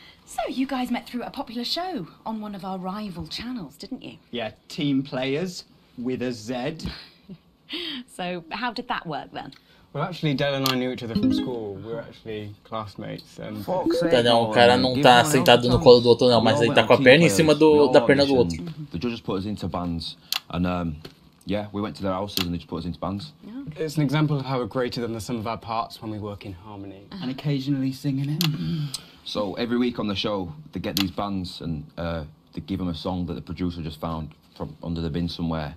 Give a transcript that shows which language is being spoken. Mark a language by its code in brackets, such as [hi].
[en] So you guys met through a popular show on one of our rival channels, didn't you? Yeah, Team Players with a Z. So how did that work then? Well, actually, Del and I knew each other from school. We were actually classmates. And... [pt] Fox, Daniel, o cara não tá sentado no colo do outro, não, mas ele tá com a perna em cima da perna do outro. [en] The judges put us into bands, and yeah, we went to their houses and they just put us into bands. Okay. It's an example of how we're greater than the sum of our parts when we work in harmony. Uh-huh. And occasionally singing it. So every week on the show, they get these bands and they give them a song that the producer just found from under the bin somewhere.